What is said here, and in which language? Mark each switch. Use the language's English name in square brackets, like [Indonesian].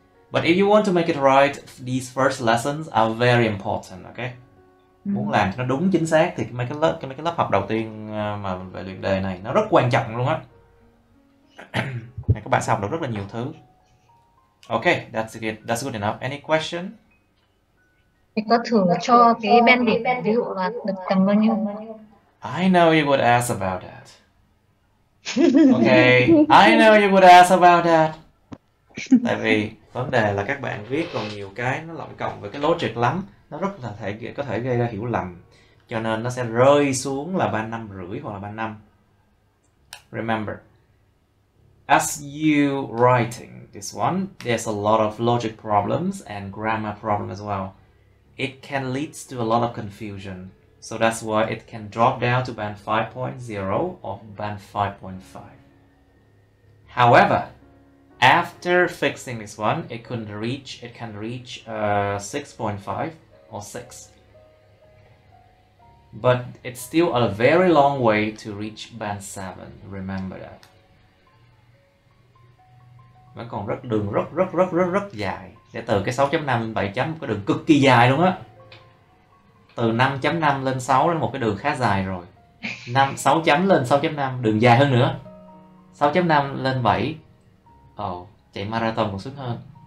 [English] But if you want to make it right, these first lessons are very important, okay? [Vietnamese] Muốn làm cho nó đúng chính xác thì mấy cái lớp học đầu tiên mà về luyện đề này nó rất quan trọng luôn á. Các bạn sẽ học được rất là nhiều thứ. [English] Ok, that's good enough. Any question? [Vietnamese] Thì có thử cho cái bên điểm ví dụ là được tầm bao nhiêu? [English] I know you would ask about that. Ok, I know you would ask about that. [Vietnamese] Tại vì vấn đề là các bạn viết còn nhiều cái nó lộn cộng với cái logic lắm. Nó rất là có thể gây ra hiểu lầm, cho nên nó sẽ rơi xuống là 3,5 hoặc là 3 năm. [English] Remember, as you writing this one, there's a lot of logic problems and grammar problem as well. It can lead to a lot of confusion, so that's why it can drop down to band 5.0 or band 5.5. However, after fixing this one, it can reach 6.5. Or 6. But it's still a very long way to reach band 7. Remember that. [Vietnamese] Vẫn còn rất đường rất rất rất rất rất dài. Để từ cái 6.5 lên 7 chấm, có đường cực kỳ dài luôn á. Từ 5.5 lên 6 là một cái đường khá dài rồi. 5, 6 chấm lên 6.5, đường dài hơn nữa. 6.5 lên 7. Oh, chạy marathon còn sướng hơn.